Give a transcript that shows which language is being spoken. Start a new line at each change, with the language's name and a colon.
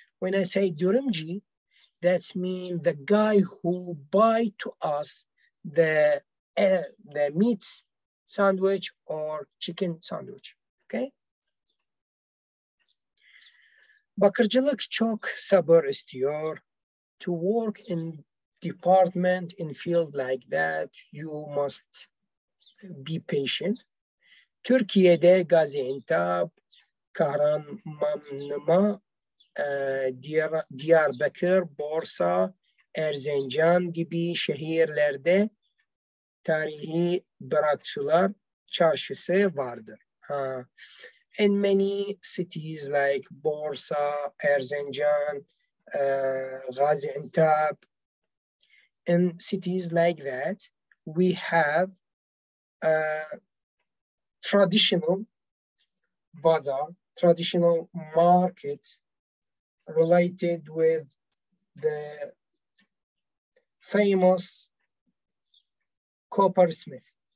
English: When I say dürümcı, that's mean the guy who buy to us the meat sandwich or chicken sandwich. Okay.
Turkish: Bakırcılık çok sabır istiyor.
English: To work in department in field like that, you must be patient.
Turkish: Türkiye'de Gaziantep, Kahramanmaraş, Diyarbakır, Bursa, Erzincan gibi şehirlerde tarihi bırakçılar çarşısı vardır. Ha.
English: In many cities like Bursa, Erzincan, Gaziantep, in cities like that, we have traditional bazaar, traditional market related with the famous coppersmith.